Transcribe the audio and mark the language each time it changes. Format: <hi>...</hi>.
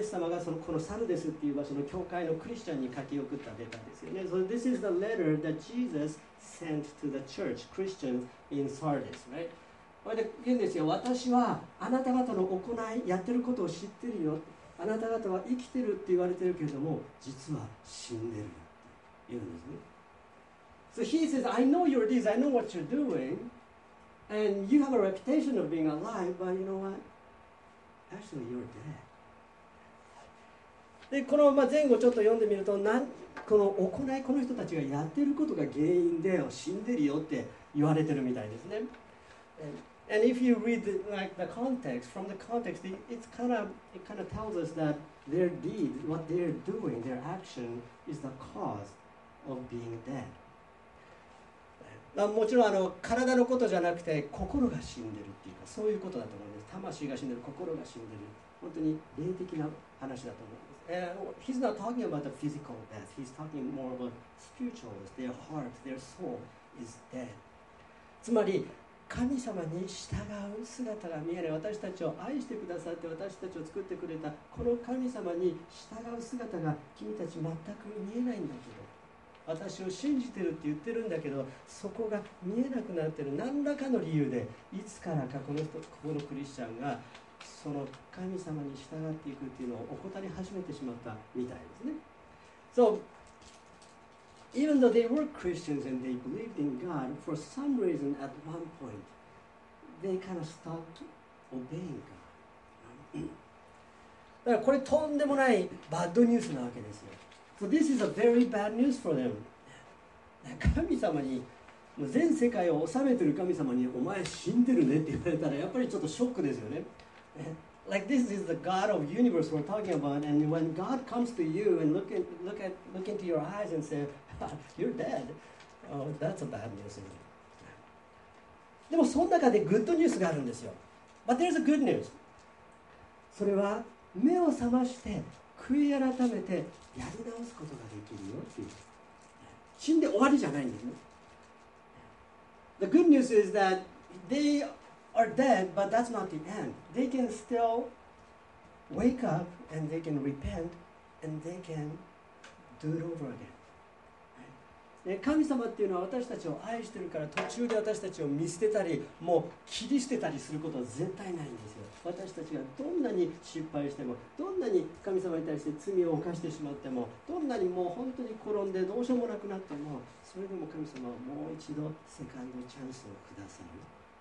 <ja>イエス様がそのこのサルデスっていう場所の教会のクリスチャンに書き送ったデータですよね。</ja> <en>So this is the letter that Jesus sent to the church, Christians in Sardis, right?</en> <ja>これで言うんですよ。私はあなた方の行いやってることを知ってるよ。あなた方は生きてるって言われてるけれども、実は死んでるよって言うんですね。</ja> <en>So he says, I know your deeds, I know what you're doing, and you have a reputation of being alive, but you know what? Actually, you're dead.</en> <ja>で、このまま前後ちょっと読んでみると、この行い、この人たちがやってることが原因で死んでるよって言われてるみたいですね。</ja> <en>And if you read the, like the context, from the context, it kind of tells us that their deed, what they're doing, their action is the cause of being dead.</en> <ja>もちろんあの体のことじゃなくて心が死んでるっていうかそういうことだと思うんです。魂が死んでる、心が死んでる。本当に霊的な話だと思うんです。</ja> <en>He's not talking about the physical death. He's talking more about spiritual death. Their heart, their soul is dead.</en> <ja>つまり神様に従う姿が見えない、私たちを愛してくださって私たちを作ってくれたこの神様に従う姿が君たち全く見えないんだけど、私を信じてるって言ってるんだけど、そこが見えなくなってる。何らかの理由でいつからかこの人、ここのクリスチャンがその神様に従っていくっていうのを怠り始めてしまったみたいですね。</ja> <en>So even though they were Christians and they believed in God, for some reason at one point they kind of stopped obeying God.</en> <ja>だからこれとんでもないバッドニュースなわけですよ。</ja> <en>So this is a very bad news for them.</en> <ja>神様に、全世界を治めてる神様にお前死んでるねって言われたらやっぱりちょっとショックですよね。</ja> <en>Like this is the God of universe we're talking about, and when God comes to you and look into your eyes and say, "You're dead," oh, that's a bad news.</en> <ja>でもその中でグッドニュースがあるんですよ。</ja> <en>But there's a good news.</en> <ja>それは目を覚まして悔い改めてやり直すことができるよっていう。死んで終わりじゃないんですね。</ja> <en>The good news is that they are dead, but that's not the end. They can still wake up and they can repent and they can do it over again.</en> <ja>神様っていうのは私たちを愛してるから途中で私たちを見捨てたりもう切り捨てたりすることは絶対ないんですよ。私たちがどんなに失敗してもどんなに神様に対して罪を犯してしまってもどんなにもう本当に転んでどうしようもなくなってもそれでも神様はもう一度セカンドチャンスをくださる。</ja>